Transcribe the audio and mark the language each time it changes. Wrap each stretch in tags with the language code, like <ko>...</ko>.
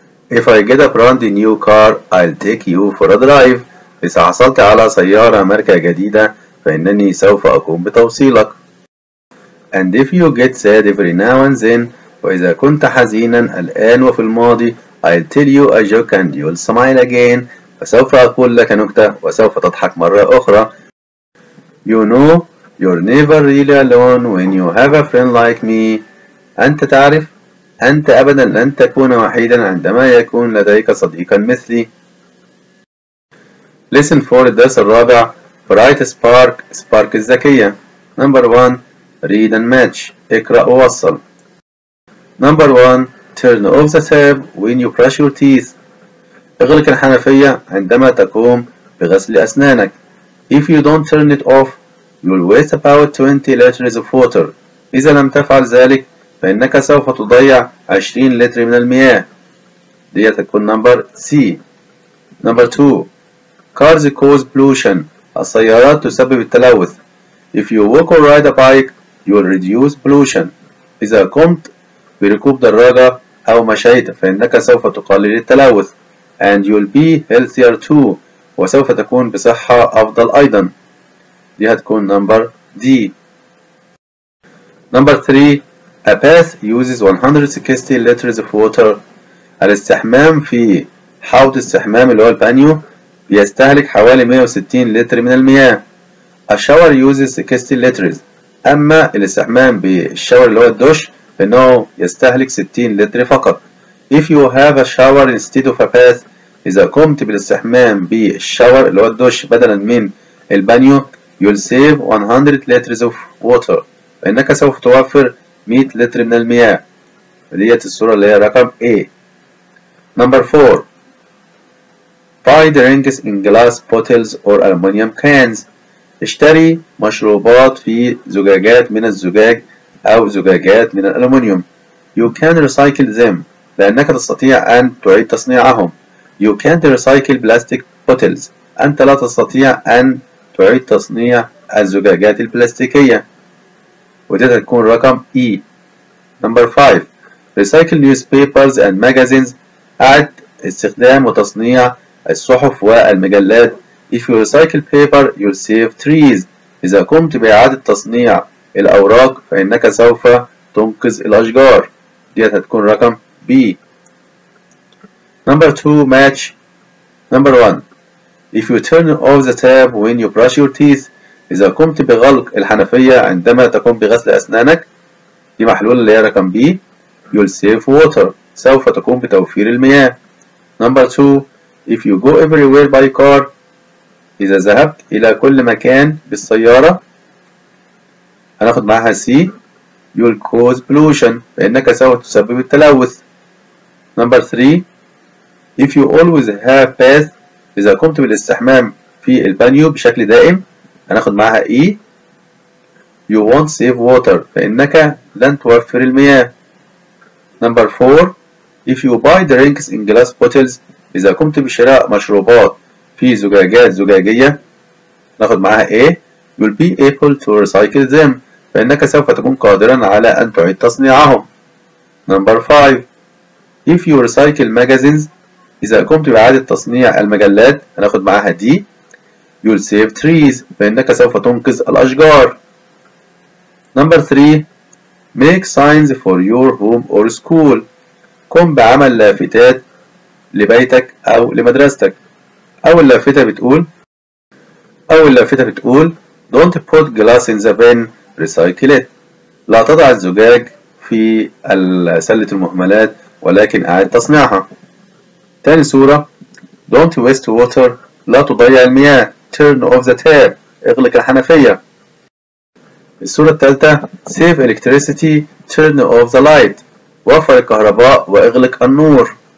<en>If I get a brand new car, I'll take you for a drive.</en> <ar>إذا حصلت على سيارة ماركة جديدة فإنني سوف أقوم بتوصيلك.</ar> <en>And if you get sad every now and then,</en> <ar>وإذا كنت حزينا الآن وفي الماضي,</ar> <en>I'll tell you a joke and you'll smile again.</en> <ar>فسوف أقول لك نكتة وسوف تضحك مرة أخرى.</ar> <en>You know, you're never really alone when you have a friend like me.</en> <ar>أنت تعرف, أنت أبدا لن تكون وحيدا عندما يكون لديك صديقا مثلي.</ar> <en>Listen for</en> <ar>الدرس الرابع.</ar> <en>Bright Spark, Spark الذكية. Number 1. Read and match.</en> <ar>اقرأ ووصل.</ar> <en>Number 1. Turn off the tap when you brush your teeth.</en> <ar>اغلق الحنفية عندما تقوم بغسل أسنانك.</ar> <en>If you don't turn it off, you'll waste about 20 liters of water.</en> <ar>إذا لم تفعل ذلك فإنك سوف تضيع 20 لتر من المياه. دي تكون نمبر</ar> <en>C. Number 2. Cars cause pollution.</en> <ar>السيارات تسبب التلوث.</ar> <en>If you walk or ride a bike, you'll reduce pollution.</en> <ar>إذا قمت بركوب دراجة أو مشيت فإنك سوف تقلل التلوث.</ar> <en>And you'll be healthier too.</en> <ar>وسوف تكون بصحة أفضل أيضا. دي هتكون number D.</ar> <en>Number 3. A bath uses 160 liters of water.</en> <ar>الاستحمام في حوض استحمام اللي هو البانيو بيستهلك حوالي 160 لتر من المياه.</ar> <en>A shower uses 60 liters.</en> <ar>أما الاستحمام بالشاور اللي هو الدش فإنه يستهلك 60 لتر فقط.</ar> <en>If you have a shower instead of a bath,</en> <ar>إذا قمت بالاستحمام بالشاور اللي هو الدش بدلا من البانيو,</ar> <en>you'll save 100 liters of water.</en> <ar>فإنك سوف توفر 100 لتر من المياه. دي الصورة اللي هي رقم A.</ar> <en>Number 4. Buy drinks in glass bottles or aluminium cans.</en> <ar>اشتري مشروبات في زجاجات من الزجاج أو زجاجات من الألومنيوم.</ar> <en>You can recycle them.</en> <ar>لأنك تستطيع أن تعيد تصنيعهم.</ar> <en>You can't recycle plastic bottles.</en> <ar>أنت لا تستطيع أن تعيد تصنيع الزجاجات البلاستيكية. وده تكون رقم E.</ar> <en>Number 5. Recycle newspapers and magazines.</en> <ar>أعد استخدام وتصنيع الصحف والمجلات.</ar> <en>If you recycle paper, you'll save trees.</en> <ar>إذا قمت بإعادة تصنيع الأوراق فإنك سوف تنقذ الأشجار. ده هتكون رقم</ar> <en>B. Number 2. Match. Number 1. If you turn off the tap when you brush your teeth,</en> <ar>إذا قمت بغلق الحنفية عندما تقوم بغسل أسنانك, دي محلول اللي هي رقم</ar> <en>B, you'll save water.</en> <ar>سوف تقوم بتوفير المياه.</ar> <en>Number 2. If you go everywhere by car,</en> <ar>إذا ذهبت إلى كل مكان بالسيارة, هناخد معها</ar> <en>C, you'll cause pollution.</en> <ar>فإنك سوف تسبب التلوث.</ar> <en>Number 3. If you always have bath,</en> <ar>إذا قمت بالاستحمام في البانيو بشكل دائم, هناخد معها E,</ar> <en>you won't save water,</en> <ar>فإنك لن توفر المياه.</ar> <en>Number 4, if you buy drinks in glass bottles,</en> <ar>إذا قمت بشراء مشروبات في زجاجات زجاجية, ناخد معها</ar> <en>A, you'll be able to recycle them,</en> <ar>فإنك سوف تكون قادرا على أن تعيد تصنيعهم.</ar> <en>Number 5, if you recycle magazines,</en> <ar>إذا قمت بإعادة تصنيع المجلات, هناخد معها D,</ar> <en>you'll save trees,</en> <ar>فإنك سوف تنقذ الأشجار.</ar> <en>Number 3. Make signs for your home or school.</en> <ar>قم بعمل لافتات لبيتك أو لمدرستك. أول لافتة بتقول</ar> <en>don't put glass in the bin, recycle it.</en> <ar>لا تضع الزجاج في سلة المهملات ولكن أعد تصنيعها. تاني سورة</ar> <en>don't waste water,</en> <ar>لا تضيع المياه,</ar> <en>turn off the tap,</en> <ar>اغلق الحنفية. السورة التالتة</ar> <en>save electricity, turn off the light,</en> <ar>وفر الكهرباء واغلق النور.</ar>